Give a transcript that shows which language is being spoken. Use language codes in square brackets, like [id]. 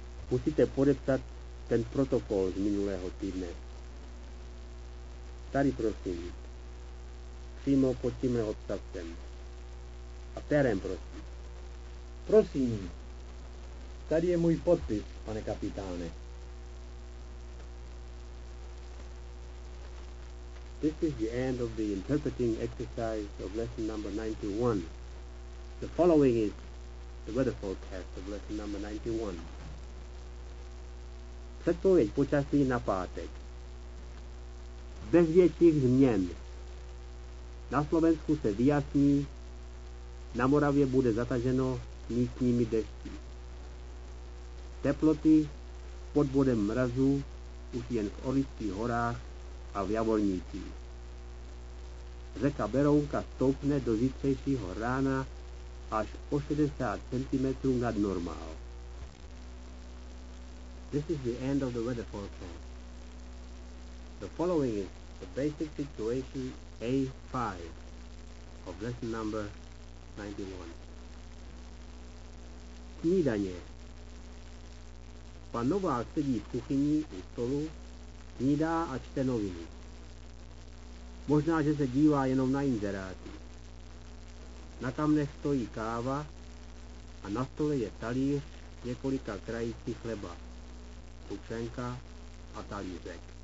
[cs] Musíte podepsat ten protokol z minulého týdne. Tady, prosím. Přímo pod tímhle odstavcem. A perem, prosím. Prosím. Tady je můj podpis, pane kapitáne. [en] This is the end of the interpreting exercise of lesson number 91. The following is the weather forecast of lesson number 91. [cs] Předpověď počasí na pátek. Bez větších změn. Na Slovensku se vyjasní, na Moravě bude zataženo místními dešti. Teploty pod bodem mrazu už jen v Orlických horách a v Javorníkách. Řeka Berounka stoupne do zítřejšího rána až o 60 cm nad normál. [en] This is the end of the weather forecast. The following is the basic situation A5 of lesson number 91. [cs] Snídaně. Pan Novák sedí v kuchyni u stolu, snídá a čte noviny. Možná, že se dívá jenom na inzeráty. Na kamnech stojí káva a na stole je talíř několika krajíci chleba, tučenka a talířek.